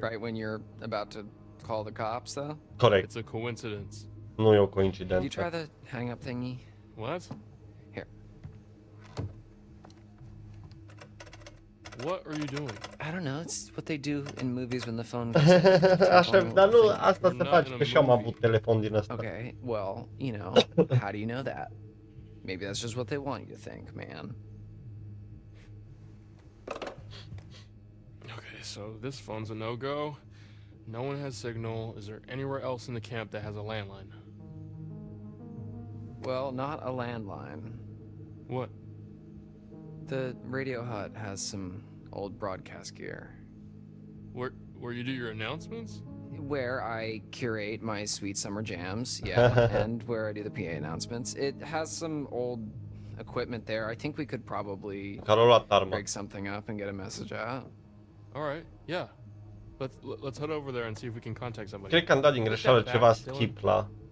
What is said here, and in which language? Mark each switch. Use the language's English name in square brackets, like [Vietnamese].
[English] Right when you're about to call the cops, though? Correct. It's a coincidence. [Romanian] Nu e o coincidență. [English] You try the hang up thingy. What? Here. What are you doing? I don't know. It's what they do in movies when the phone goes. [Romanian] Așa, dar nu, asta se face că și am avut telefon din ăsta. [English] Okay. Well, you know, how do you know that? Maybe that's just what they want you to think, man. Okay, so this phone's a no-go. No one has signal. Is there anywhere else in the camp that has a landline? Well, not a landline. What? The radio hut has some old broadcast gear. Where you do your announcements? Where I curate my sweet summer jams, yeah, and where I do the PA announcements. It has some old equipment there. I think we could probably break something up and get a message out. All right, yeah. Let's head over there and see if we can contact somebody. [Romanian] Cred că am dat din greșeală ceva skip la...